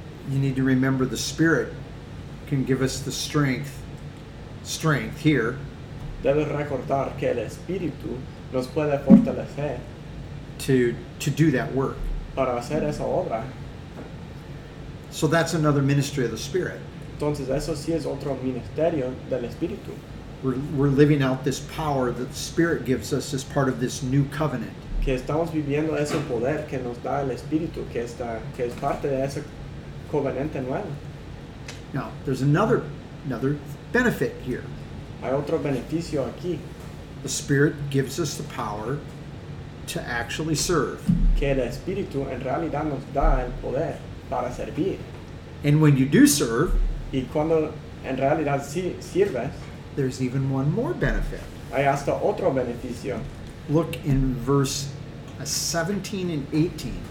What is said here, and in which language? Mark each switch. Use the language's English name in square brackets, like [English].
[English] You need to remember the Spirit can give us the strength here. [Spanish] Debes recordar que el Espíritu nos puede fortalecer. [English] To do that work. [Spanish] Para hacer esa obra. [English] So that's another ministry of the Spirit. [Spanish] Entonces, eso sí es otro ministerio del Espíritu. [English] We're living out this power that the Spirit gives us as part of this new covenant. [Spanish] Que estamos viviendo ese poder que nos da el Espíritu, que es parte de ese covenante nuevo. [English] Now, there's another benefit here. [Spanish] Hay otro beneficio aquí. [English] The Spirit gives us the power to actually serve. [Spanish] Que el Espíritu en realidad nos da el poder para servir. [English] And when you do serve, [Spanish] y cuando en realidad sí sirves, [English] there's even one more benefit. [Spanish] Hay hasta otro beneficio. [English] Look in verse 17 and 18.